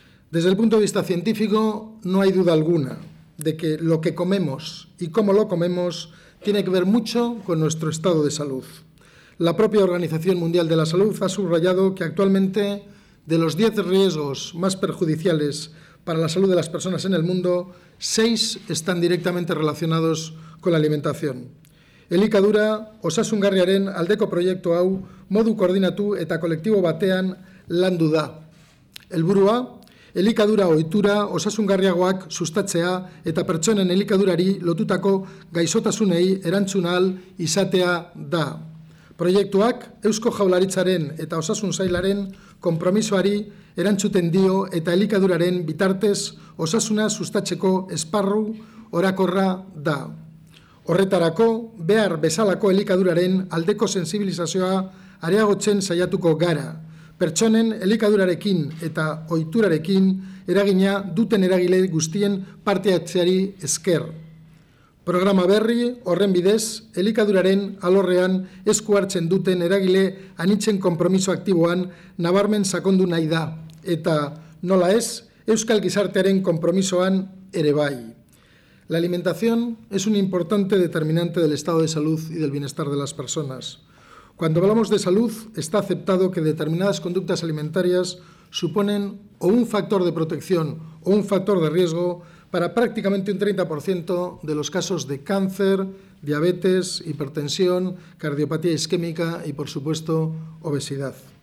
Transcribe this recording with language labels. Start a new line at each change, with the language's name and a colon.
Spanish: Desde el punto de vista científico, no hay duda alguna de que lo que comemos y cómo lo comemos tiene que ver mucho con nuestro estado de salud. La propia Organización Mundial de la Salud ha subrayado que actualmente de los 10 riesgos más perjudiciales para la salud de las personas en el mundo, 6 están directamente relacionados con la alimentación.
Basque: Elikadura osasungarriaren aldeko proiektu hau modu koordinatu eta kolektibo batean landu da. Helburua, elikadura ohitura osasungarriagoak sustatzea eta pertsonen elikadurari lotutako gaixotasunei erantzun ahal izatea da. Proiektuak Eusko Jaularitzaren eta Osasun Sailaren konpromisoari erantzuten dio eta elikaduraren bitartez osasuna sustatzeko esparru orakorra da. Horretarako, behar bezalako elikaduraren aldeko sensibilizazioa areagotzen saiatuko gara. Pertsonen elikadurarekin eta ohiturarekin eragina duten eragile guztien parte hartzeari esker. Programa berri horren bidez, elikaduraren alorrean esku hartzen duten eragile anitzen konpromiso aktiboan nabarmen sakondu nahi da, eta nola ez, euskal gizartearen konpromisoan ere bai.
Spanish: La alimentación es un importante determinante del estado de salud y del bienestar de las personas. Cuando hablamos de salud, está aceptado que determinadas conductas alimentarias suponen o un factor de protección o un factor de riesgo para prácticamente un 30% de los casos de cáncer, diabetes, hipertensión, cardiopatía isquémica y, por supuesto, obesidad.